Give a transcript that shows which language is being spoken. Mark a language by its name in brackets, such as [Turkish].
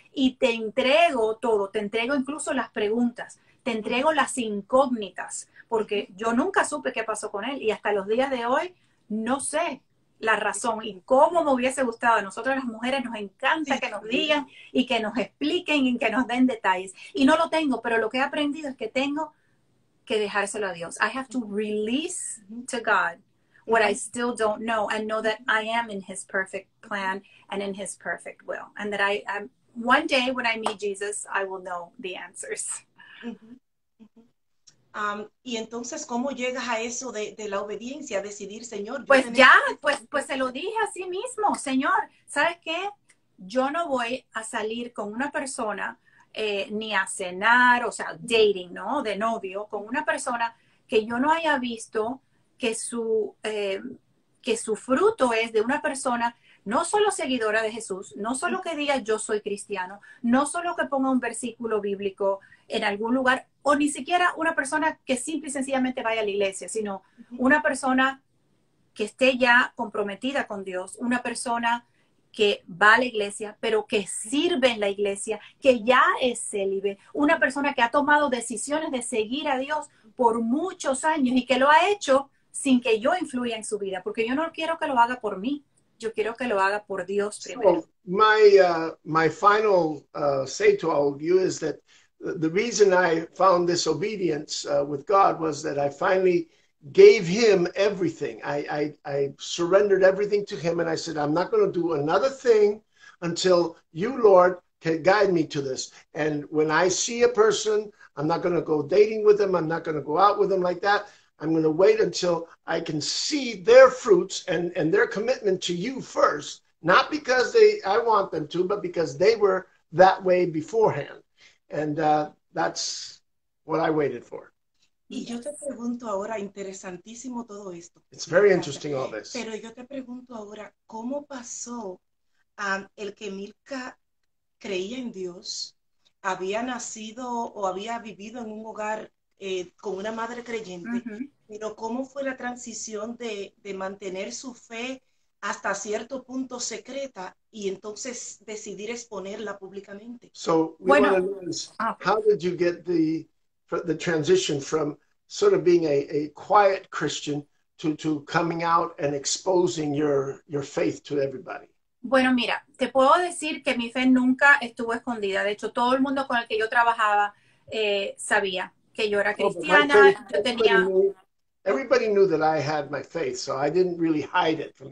[Spanish] Y te entrego todo, te entrego incluso las preguntas, te entrego las incógnitas, porque yo nunca supe qué pasó con él. Y hasta los días de hoy no sé la razón y cómo me hubiese gustado. A nosotros las mujeres nos encanta que nos digan y que nos expliquen y que nos den detalles. Y no lo tengo, pero lo que he aprendido es que tengo que dejárselo a Dios. [English] I have to release to God what I still don't know and know that I am in His perfect plan and in His perfect will. And that I am, one day when I meet Jesus, I will know the answers. [Spanish] Y entonces, ¿cómo llegas a eso de la obediencia, decidir, Señor? Pues ya, pues se lo dije a sí mismo, Señor, ¿sabes qué? Yo no voy a salir con una persona, ni a cenar, o sea, dating, ¿no? De novio, con una persona que yo no haya visto que su fruto es de una persona no solo seguidora de Jesús, no solo que diga yo soy cristiano, no solo que ponga un versículo bíblico en algún lugar, o ni siquiera una persona que simple y sencillamente vaya a la iglesia, sino una persona que esté ya comprometida con Dios, una persona que va a la iglesia, pero que sirve en la iglesia, que ya es célibe, una persona que ha tomado decisiones de seguir a Dios por muchos años y que lo ha hecho sin que yo influya en su vida, porque yo no quiero que lo haga por mí. Yo quiero que lo haga por Dios primero. [English] So my final say to all of you is that the reason I found this obedience with God was that I finally gave Him everything. I surrendered everything to Him, and I said, I'm not going to do another thing until you, Lord, can guide me to this. And when I see a person, I'm not going to go dating with them. I'm not going to go out with them like that. I'm going to wait until I can see their fruits and their commitment to you first, not because I want them to, but because they were that way beforehand. And that's what I waited for. [Spanish] Y yo te pregunto ahora, interesantísimo todo esto. [English] It's very interesting, all this. [Spanish] Pero yo te pregunto ahora, ¿cómo pasó el que Milka creía en Dios, había nacido o había vivido en un hogar con una madre creyente, pero cómo fue la transición de mantener su fe hasta cierto punto secreta y entonces decidir exponerla públicamente. [English] So we want [Spanish] Bueno. [English] to know is how did you get the transition from sort of being a quiet Christian to coming out and exposing your faith to everybody? [Spanish] Bueno, mira, te puedo decir que mi fe nunca estuvo escondida. De hecho, todo el mundo con el que yo trabajaba sabía que yo era [English] Oh, but my faith, [Spanish] cristiana. Yo [English] everybody [Spanish] tenía. [English] knew. Everybody knew that I had my faith, so I didn't really hide it from